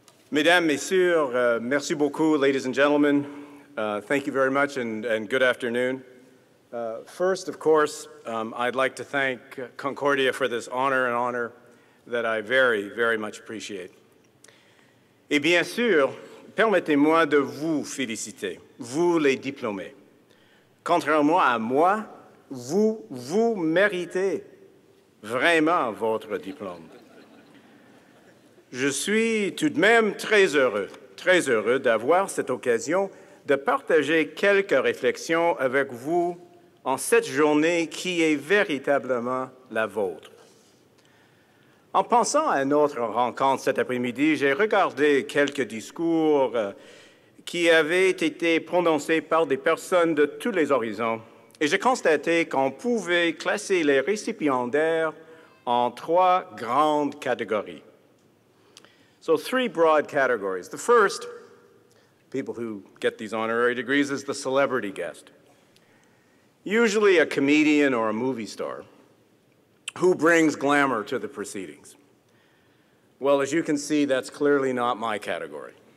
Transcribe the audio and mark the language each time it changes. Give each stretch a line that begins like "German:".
French: Mesdames, Messieurs, merci beaucoup,
English: ladies and gentlemen. Thank you very much, and good afternoon. First, of course, I'd like to thank Concordia for this honor, an honor that I very, very much appreciate.
French: Et bien sûr, permettez-moi de vous féliciter, vous les diplômés. Contrairement à moi, vous, vous méritez vraiment votre diplôme. Je suis tout de même très heureux d'avoir cette occasion de partager quelques réflexions avec vous en cette journée qui est véritablement la vôtre. En pensant à notre rencontre cet après-midi, j'ai regardé quelques discours qui avaient été prononcés par des personnes de tous les horizons, et j'ai constaté qu'on pouvait classer les récipiendaires en trois grandes catégories.
English: So, three broad categories. The first, people who get these honorary degrees, is the celebrity guest. Usually a comedian or a movie star. Who brings glamour to the proceedings? Well, as you can see, that's clearly not my category.